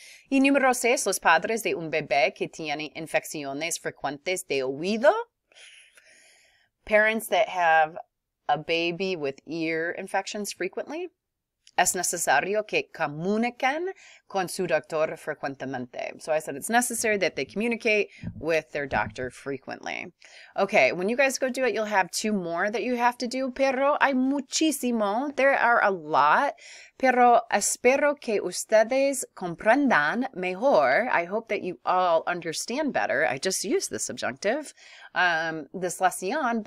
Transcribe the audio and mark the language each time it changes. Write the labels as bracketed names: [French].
[Spanish] Y número seis, los padres de un bebé que tiene infecciones frecuentes de oído. [English] Parents that have a baby with ear infections frequently. [Spanish] Es necesario que comuniquen con su doctor frecuentemente. [English] So I said it's necessary that they communicate with their doctor frequently. Okay, when you guys go do it, you'll have two more that you have to do. [Spanish] Pero hay muchísimo. [English] There are a lot. [Spanish] Pero espero que ustedes comprendan mejor. [English] I hope that you all understand better. I just used the subjunctive, this lección.